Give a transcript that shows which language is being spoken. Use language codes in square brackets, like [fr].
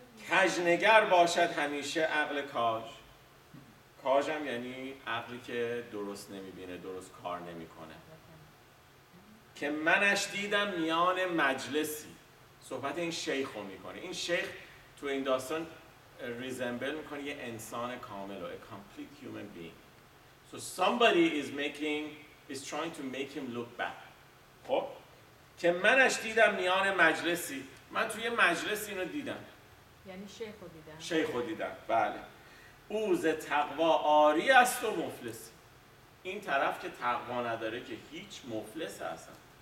[fa] کجنگر باشد همیشه عقل کاج، کاج هم یعنی عقلی که درست نمیبینه، درست کار نمیکنه. که منش دیدم میان مجلسی، صحبت این شیخ رو میکنه. این شیخ تو این داستان ریزمبل میکنه یه انسان کامل، [en] a complete human being. So somebody is making is trying to make him look bad. [fa] خب که منش دیدم میان مجلسی، من توی مجلس اینو دیدم، یعنی شیخو دیدم، شیخو دیدم، بله. اوز تقوا آری است و مفلس. این طرف که تقوا نداره که هیچ، مفلس هستن.